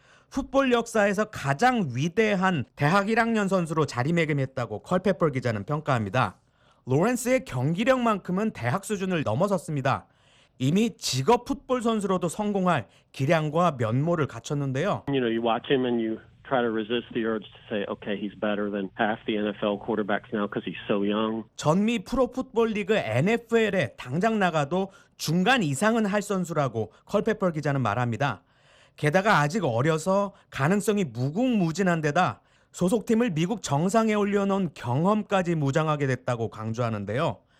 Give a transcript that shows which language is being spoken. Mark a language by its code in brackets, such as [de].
[ko] 풋볼 역사에서 가장 위대한 대학 1학년 선수로 자리매김했다고 컬페퍼 기자는 평가합니다. 로렌스의 경기력만큼은 대학 수준을 넘어섰습니다. 이미 직업 풋볼 선수로도 성공할 기량과 면모를 갖췄는데요. [en] You know, you watch him and you try to resist the urge to say, okay, he's better than half the NFL quarterbacks now because he's so young. [ko] 전미 프로 풋볼 리그 NFL에 당장 나가도 중간 이상은 할 선수라고 컬페퍼 기자는 말합니다. 게다가 아직 어려서 가능성이 무궁무진한 데다 소속팀을 미국 정상에 올려놓은 경험까지 무장하게 됐다고 강조하는데요.